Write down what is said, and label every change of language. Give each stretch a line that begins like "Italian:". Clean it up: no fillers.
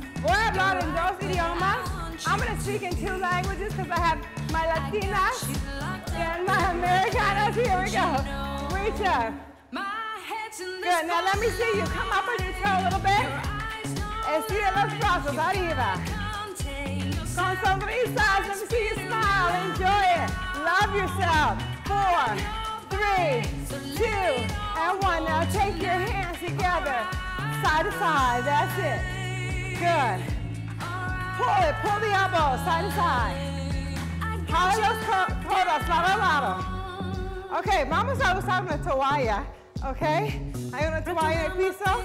Spanish: Voy a hablar en dos idiomas.
English: I'm going to speak in two languages because I have my Latinas. And my Americanas, here we go. Reach up. Good, now let me see you. Come up on your toe a little bit.
Spanish: Estira los brazos, arriba. Con sonrisas,
English: let me see you smile. Enjoy it. Love yourself. Four, three, two, and one. Now take your hands together. Side to side, that's it. Good. Pull it, pull the elbows, side to side.
Spanish: Jala los codos, lado a lado. Okay, vamos a usar una toalla, okay? Hay una toalla en el piso.